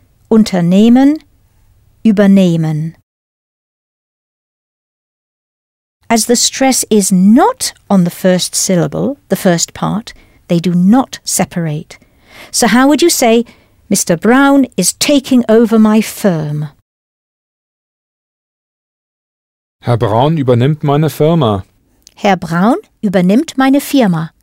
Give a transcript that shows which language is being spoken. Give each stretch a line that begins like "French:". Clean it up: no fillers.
German: Unternehmen, übernehmen.
English: As the stress is not on the first syllable, the first part, they do not separate. So how would you say, Mr. Brown is taking over my firm?
German: Herr Braun übernimmt meine Firma. Herr Braun übernimmt meine Firma.